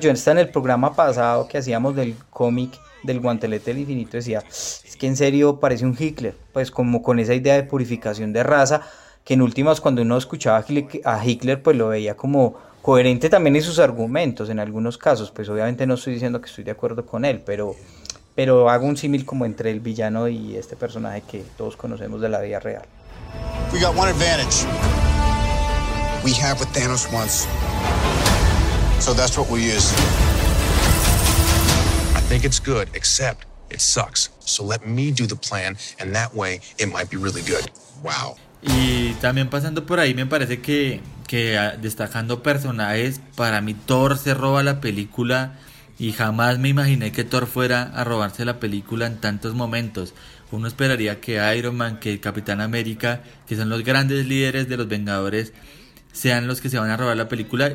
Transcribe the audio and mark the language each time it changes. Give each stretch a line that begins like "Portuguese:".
Spanish: Yo estaba en el programa pasado que hacíamos del cómic del Guantelete del Infinito, decía, es que en serio parece un Hitler, pues como con esa idea de purificación de raza, que en últimas cuando uno escuchaba a Hitler, pues lo veía como coherente también en sus argumentos, en algunos casos, pues obviamente no estoy diciendo que estoy de acuerdo con él, pero hago un símil como entre el villano y este personaje que todos conocemos de la vida real.
English: We got one advantage. We have what Thanos wants. So that's what we use. I think it's good, except it sucks. So let me do the plan, and that way it might be really good. Wow.
Spanish: Y también pasando por ahí, me parece que destacando personajes, para mí Thor se roba la película. Y jamás me imaginé que Thor fuera a robarse la película en tantos momentos. Uno esperaría que Iron Man, que Capitán América, que son los grandes líderes de los Vengadores, sean los que se van a robar la película.